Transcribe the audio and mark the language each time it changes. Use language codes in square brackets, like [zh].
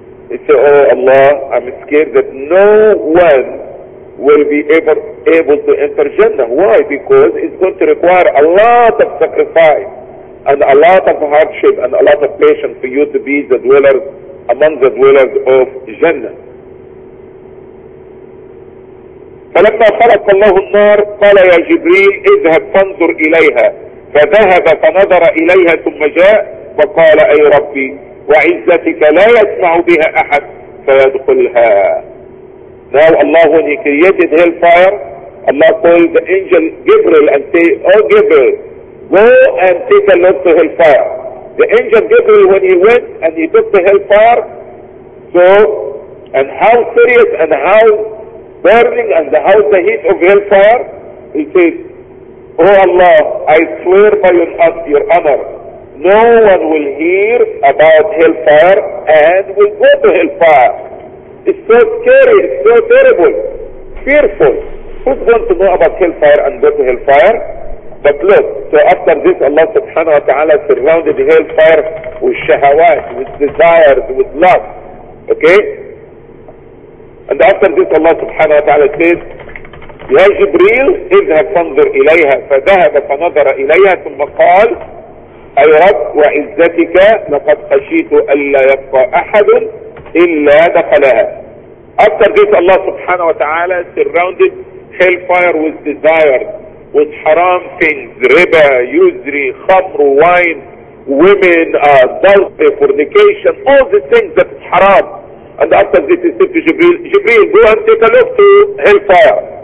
[en] He said, oh Allah, I'm scared that no one will be able to enter Jannah. Why? Because it's going to require a lot of sacrifice and a lot of hardship and a lot of patience for you to be the dwellers, among the dwellers of Jannah. [ar] فلما خلق الله النار قال يا جبريل اذهب فانظر اليها فذهب فنظر اليها ثم جاء فقال اي ربي وعزتك لا يسمع بها احد فيدخلها. [en] Now Allah, when he created hellfire, Allah called the angel Gabriel and said, oh Gabriel, go and take a look to hellfire. The angel Gabriel, when he went and he took the hellfire, so, and how serious and how burning and how the heat of hellfire, he said, oh Allah, I swear by your honor, no one will hear about hellfire and will go to hellfire. It's so scary, it's so terrible, fearful. Who's going to know about hellfire and go to hellfire? But look, so after this, Allah subhanahu wa ta'ala surrounded hellfire with shahawat, with desires, with love. Okay? And after this, Allah subhanahu wa ta'ala says, [ar] Ya Jibreel, اذهب فانظر إليها فذهب فنظر إليها ثم قال أي رب وعزتك لقد خشيت ألا يبقى أحد إلا دخلها. [en] After this, Allah subhanahu wa ta'ala surrounded hellfire with desires, with haram things, riba, usury, khamr, wine, women, adultery, fornication, all the things that is haram. And after this, he said to Jibreel, go and take a look to hellfire.